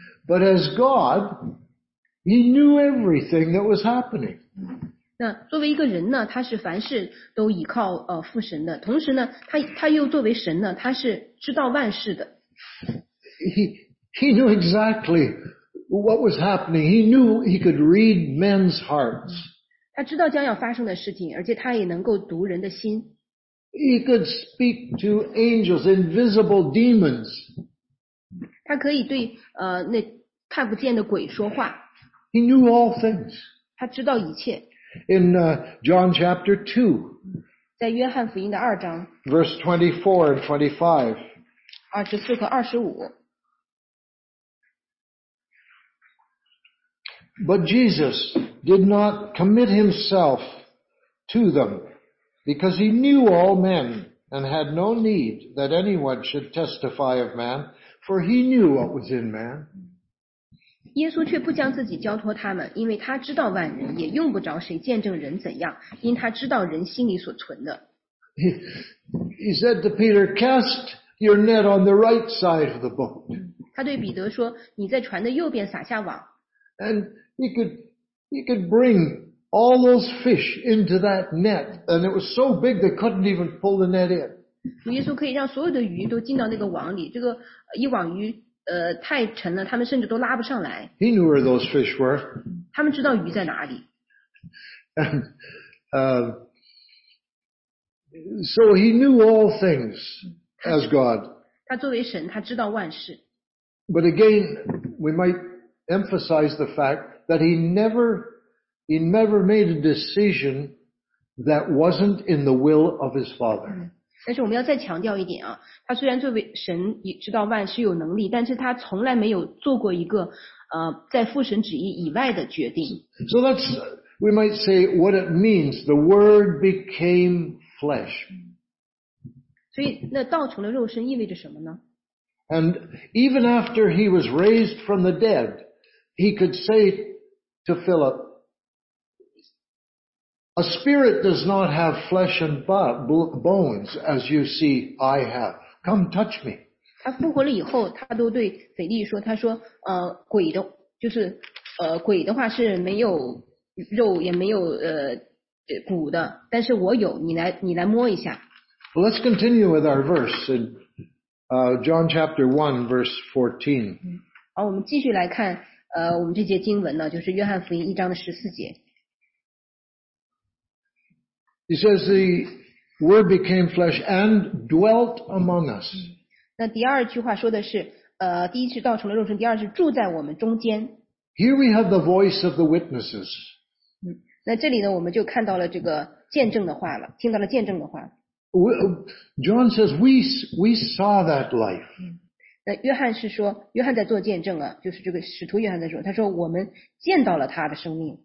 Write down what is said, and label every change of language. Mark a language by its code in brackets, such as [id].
[en] But as God, he knew everything that was happening. [zh] 那作为一个人呢，他是凡事都依靠父神的。同时呢，他又作为神呢，他是知道万事的。 [en] He knew exactly what was happening. He knew he could read men's hearts. [zh] 他知道将要发生的事情，而且他也能够读人的心。 [en] He could speak to angels, invisible demons. [zh] 他可以对那看不见的鬼说话。 [en] He knew all things. [zh] 他知道一切。 [en] In John chapter 2, [zh] 在约翰福音的二章 [en] verse 24 and 25, [zh] 24和25。 [en] But Jesus did not commit himself to them, because he knew all men, and had no need that anyone should testify of man, for he knew what was in man. [zh] 耶稣却不将自己交托他们，因为他知道万人，也用不着谁见证人怎样，因他知道人心里所存的。 [en] He said to Peter, cast your net on the right side of the boat. [zh] 他对彼得说，你在船的右边撒下网。 [en] And he could bring all those fish into that net, and it was so big they couldn't even pull the net in. [zh] 主耶稣可以让所有的鱼都进到那个网里，这个一网鱼太沉了，他们甚至都拉不上来。 [en] He knew where those fish were. [zh] 他们知道鱼在哪里。 [en] And so he knew all things as God. [zh] 他作为神，他知道万事。 [en] But again, we might emphasize the fact that he never made a decision that wasn't in the will of his father. [zh] 但是我们要再强调一点啊，他虽然作为神也知道万事有能力，但是他从来没有做过一个在父神旨意以外的决定。 [en] So that's, we might say what it means, the word became flesh. [zh] 所以那道成了肉身意味着什么呢？ [en] And even after he was raised from the dead,He could say to Philip, a spirit does not have flesh and bones as you see I have. Come touch me. [zh] 他复活了以后，他都对腓力说，他说鬼的就是鬼的话是没有肉也没有骨的，但是我有，你来摸一下。 [en] Well, let's continue with our verse in John chapter 1 verse 14. [zh] 好，我们继续来看。我们这节经文呢，就是约翰福音一章的十四节。 [en] He says the Word became flesh and dwelt among us. [zh] 那第二句话说的是，第一是道成了肉身，第二是住在我们中间。 [en] Here we have the voice of the witnesses. [zh] 那这里呢，我们就看到了这个见证的话了，听到了见证的话。 [en] John says we saw that life. [zh] 那约翰是说，约翰在做见证啊，就是这个使徒约翰在说，他说我们见到了他的生命。